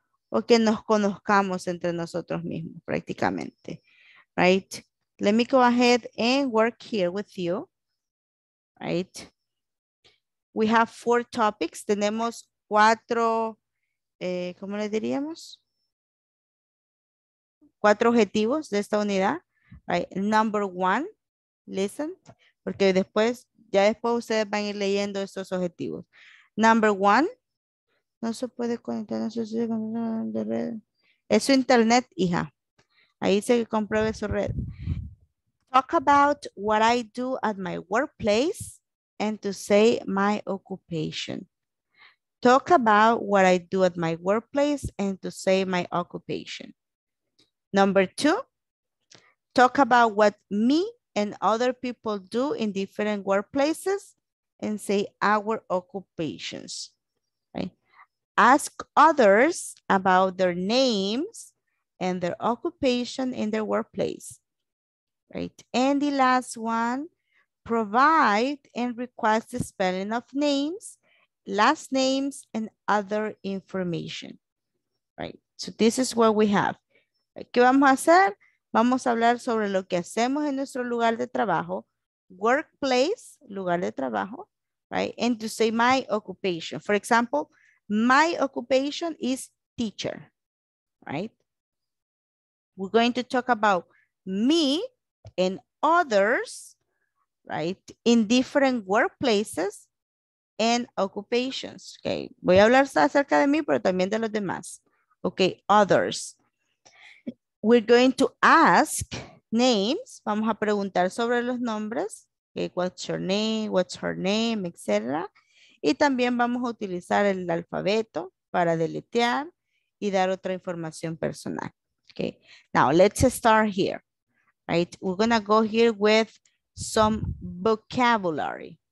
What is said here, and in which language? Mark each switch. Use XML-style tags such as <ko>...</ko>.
<es>O que nos conozcamos entre nosotros mismos prácticamente, right?</es> <en>Let me go ahead and work here with you, right? We have 4 topics,</en> <es>tenemos 4, ¿cómo le diríamos? 4 objetivos de esta unidad, right?</es> <en>Number 1, listen,</en> <es>porque después, ya después ustedes van a ir leyendo estos objetivos.</es> <en>Number 1,</en> <es>no se puede conectar, no se puede conectar de red. Es su internet, hija. Ahí se compruebe su red.</es> <en>Talk about what I do at my workplace and to say my occupation. Talk about what I do at my workplace and to say my occupation. Number 2, talk about what me and other people do in different workplaces and say our occupations, right? Ask others about their names and their occupation in their workplace, right? And the last one, provide and request the spelling of names, last names, and other information, right? So this is what we have.</en> <es>¿Qué vamos a hacer? Vamos a hablar sobre lo que hacemos en nuestro lugar de trabajo, workplace, lugar de trabajo, right?</es> <en>And to say my occupation. For example, my occupation is teacher, right? We're going to talk about me and others, right? In different workplaces and occupations.</en> <es>Okay, voy a hablar acerca de mí, pero también de los demás.</es> <en>Okay, others. We're going to ask names.</en> <es>Vamos a preguntar sobre los nombres.</es> <en>Okay, what's your name? What's her name? Etc.</en> <es>Y también vamos a utilizar el alfabeto para deletear y dar otra información personal.</es> <en>Okay, now let's start here. Right, we're gonna go here with some vocabulary.</en>